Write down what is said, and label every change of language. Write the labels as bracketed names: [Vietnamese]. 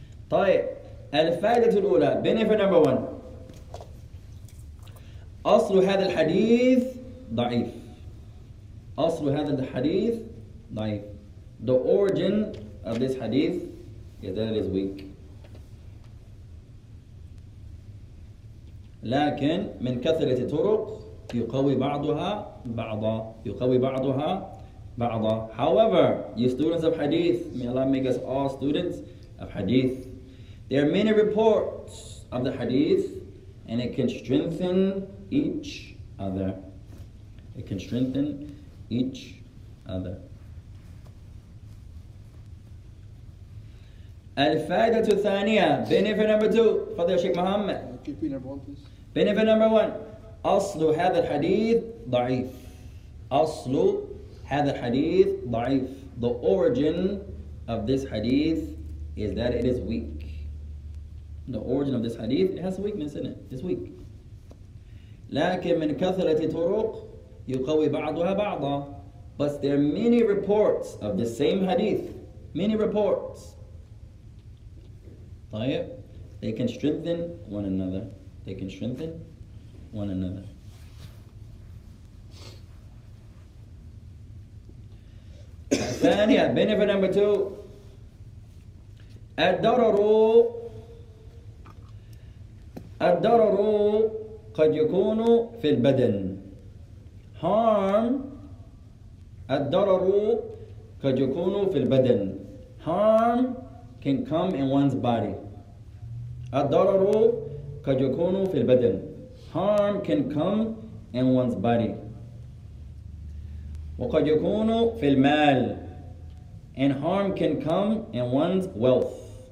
[English] Tayyib, [Arabic] al-fa'idatu al-ula, [English] benefit number one. [Arabic] أصل هذا الحديث ضعيف. أصل هذا الحديث ضعيف. [English] The origin of this hadith is that it is weak. [Arabic] لكن من كثرة طرق يقوي بعضها بعضا. يقوي بعضها بعضا. [English] However, you students of hadith, may Allah make us all students of hadith. There are many reports of the hadith, and it can strengthen each other. It can strengthen each other. [Arabic] الفائدة الثانية, [English] benefit number two, Father Sheikh Muhammad. Benefit number one, [Arabic] أصل هذا الحديث ضعيف. أصل هذا الحديث ضعيف. [English] The origin of this hadith is that it is weak. The origin of this hadith, it has weakness in it. It's weak. [Arabic] لكن من كثرة طرق يقوي بعضها بعضا. [English] But there are many reports of the same hadith. Many reports. طيب. They can strengthen one another. They can strengthen one another. ثانية, benefit number two. [Arabic] الضرر الضرر قد يكون في البدن. Harm, الضرر قد يكون في البدن. [English] Harm can come in one's body. [Arabic] الضرر قد يكون في البدن. [English] Harm can come in one's body. [Arabic] وقد يكون في المال. [English] And harm can come in one's wealth.